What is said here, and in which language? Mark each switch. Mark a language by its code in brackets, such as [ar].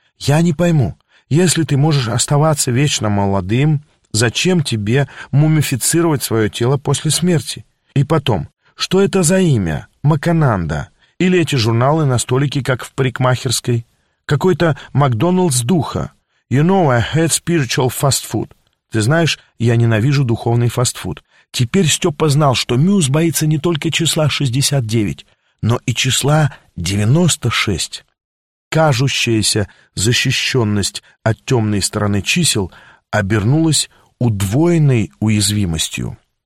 [ru] Я не пойму, если ты можешь оставаться вечно молодым, зачем тебе мумифицировать свое тело после смерти? И потом, что это за имя? Макананда? Или эти журналы на столике, как в парикмахерской? Какой-то Макдоналдс духа. [en] You know, I hate spiritual fast food. [ru] Ты знаешь, я ненавижу духовный фастфуд. Теперь Степа знал, что Мюс боится не только числа 69, но и числа 96. Кажущаяся защищенность от темной стороны чисел обернулась удвоенной уязвимостью.